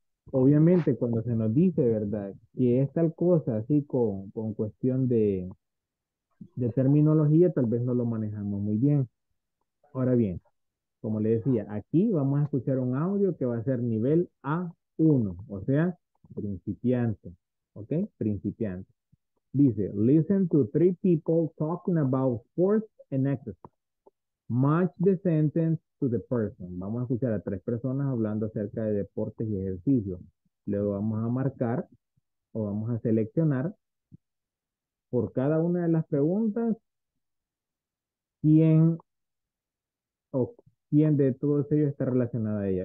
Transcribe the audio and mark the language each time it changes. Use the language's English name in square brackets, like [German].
[Spanish] obviamente cuando se nos dice, ¿verdad?, que es tal cosa así con cuestión de terminología, tal vez no lo manejamos muy bien. Ahora bien, como le decía, aquí vamos a escuchar un audio que va a ser nivel A1, o sea, principiante, ¿ok? Principiante. Dice, [English] listen to three people talking about sports and exercise. Match the sentence to the person. [Spanish] Vamos a escuchar a tres personas hablando acerca de deportes y ejercicio. Luego vamos a marcar o vamos a seleccionar por cada una de las preguntas quién o quién de todos ellos está relacionada a ella.